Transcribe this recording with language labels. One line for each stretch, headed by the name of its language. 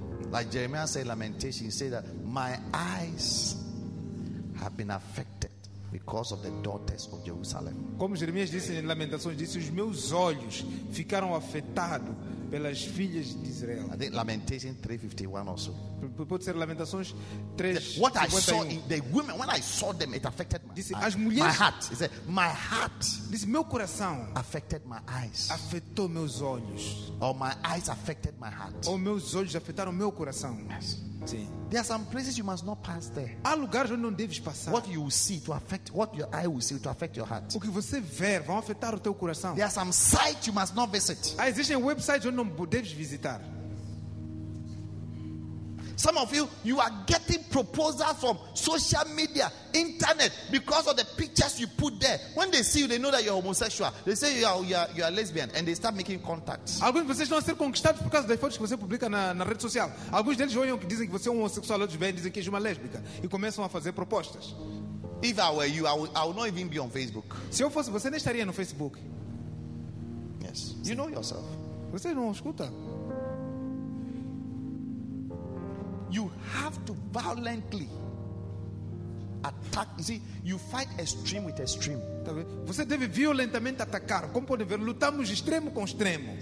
English: Like Jeremiah said, Lamentation, he said that my eyes have been affected because of the daughters of Jerusalem.
Portuguese: Como Jeremias disse em Lamentações, disse os meus olhos ficaram afetados pelas filhas de Israel.
English: I think Lamentation 3:51 or so.
Portuguese: Pode ser Lamentações 3.
English: What I saw in the women, when I saw them, it affected my,
Portuguese: disse, as mulheres,
English: my heart. He said, my heart.
Portuguese: Disse, meu coração
English: affected my eyes.
Portuguese: Afetou meus olhos.
English: Or my eyes affected my heart.
Portuguese: Ou meus olhos afetaram meu coração.
English: Yes.
Portuguese: Sim.
English: There are some places you must not pass there.
Portuguese: Há lugares onde não deves passar.
English: What you see to affect what your eye will see to affect your heart.
Portuguese: O que você ver vai afetar o teu coração.
English: There are some sites you must not visit.
Portuguese: Há existem websites onde não deves visitar.
English: Some of you are getting proposals from social media, internet, because of the pictures you put there. When they see you, they know that you're homosexual. They say you are lesbian, and they start making contacts.
Portuguese: Alguns de vocês estão a ser conquistados por causa das fotos que você publica na rede social. Alguns deles olham que dizem que você é homossexual, outros vêm e dizem que é uma lésbica e começam a fazer propostas.
English: If I were you, I would not even be on Facebook.
Portuguese: Se eu fosse você, nem estaria no Facebook.
English: Yes. You know yourself.
Portuguese: Você não escuta.
English: You have to violently attack. You see, you fight extreme with extreme.
Portuguese: Você deve violentamente atacar. Como podem ver, lutamos extremo com extremo.